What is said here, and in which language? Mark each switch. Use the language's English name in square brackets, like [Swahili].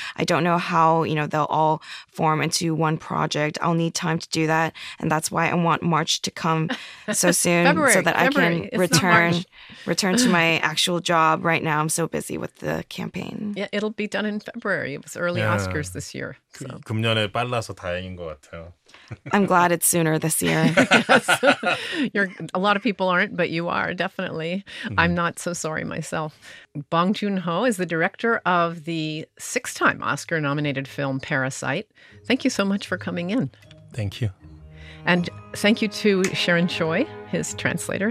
[English] I don't know how, you know, they'll all form into one project. I'll need time to do that. And that's why I want March to come so soon so that I can return to my actual job. Right now I'm so busy with the campaign. Yeah, it'll be done in February. It was early Oscars this year. So. [Korean] 금년에 빨라서 다행인 것 같아요. [English] I'm glad it's sooner this year. A lot of people aren't, but you are, definitely. Mm-hmm. I'm not so sorry myself. Bong Joon-ho is the director of the six-time Oscar-nominated film Parasite. Thank you so much for coming in. Thank you. And thank you to Sharon Choi, his translator.